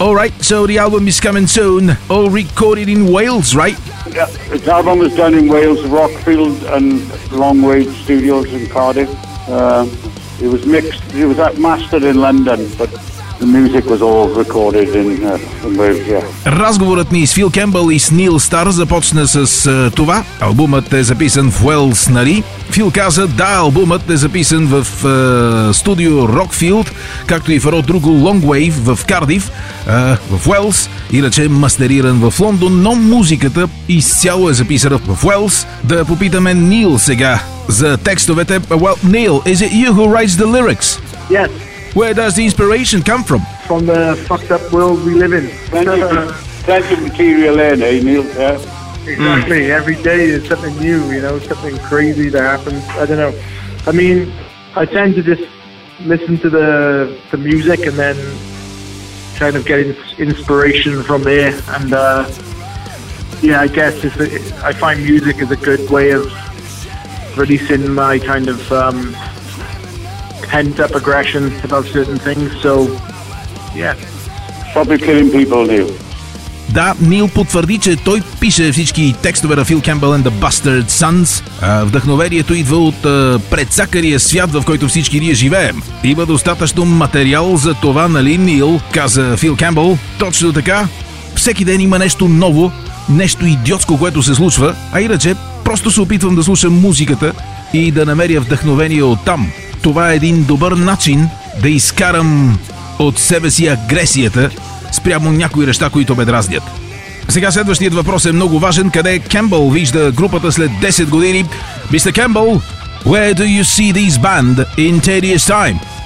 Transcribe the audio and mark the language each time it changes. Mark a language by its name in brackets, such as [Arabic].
[English] All right, so the album is coming soon. All recorded in Wales, right? Yeah, the album was done in Wales, Rockfield and Longwave Studios in Cardiff. It was mixed. It was mastered in London, but the music was all recorded in Wales, yeah. [Bulgarian] Разговорът ни с Фил Кембъл и с Нил Стар започна с това. Албумът е записан в Уелс, нали? Фил каза, да, албумът е записан в студио Rockfield, както и в едно друго Longwave в Кардиф, в Уелс, иначе мастериран в Лондон, но музиката изцяло е записана в Уелс. Да попитаме Нил сега за текстовете. [English] Well, Neil, is it you who writes the lyrics? Yes. Where does the inspiration come from? From the fucked up world we live in. Plenty of material there, eh, Neil? Yeah. Exactly. Mm. Every day is something new, you know, something crazy that happens. I don't know. I mean, I tend to just listen to the music and then kind of get inspiration from there. And yeah, I guess I find music is a good way of releasing my kind of pent-up aggression about certain things, so, yeah. Probably killing people, Neil. [Bulgarian] Да, Нил потвърди, че той пише всички текстове на Фил Кембъл and the Bastard Sons. Вдъхновението идва от предсакария свят, в който всички ние живеем. Има достатъчно материал за това, нали, Нил, каза Фил Кембъл. Точно така, всеки ден има нещо ново, нещо идиотско, което се случва, а иначе просто се опитвам да слушам музиката и да намеря вдъхновение оттам. Това е един добър начин да изкарам от себе си агресията спрямо някои неща, които ме дразнят. Сега следващият въпрос е много важен. Къде Кембъл вижда групата след 10 години? [English] Мистер Кембъл, where do you see this band in 10 years time?